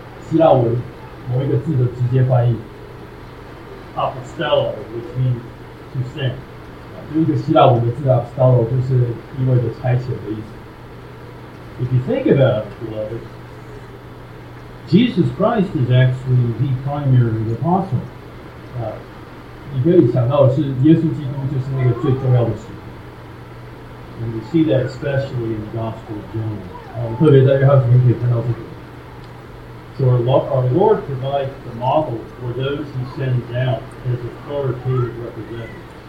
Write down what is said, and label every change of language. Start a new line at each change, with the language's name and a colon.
Chinese: 使徒这个字就是希腊文某一个字的直接翻译,
English: apostello, which means to send.
Chinese: 用一个希腊文的字apostello就是意味着差遣的意思。
English: If you think about it, beloved, Jesus Christ is actually the primary apostle.
Chinese: 你可以想到的是耶稣基督就是那个最重要的使徒。
English: And we see that especially in the Gospel of John.
Chinese: 我们特别在约翰福音可以看到这个。
English: So our Lord provides the model for those he sends out as authoritative representatives.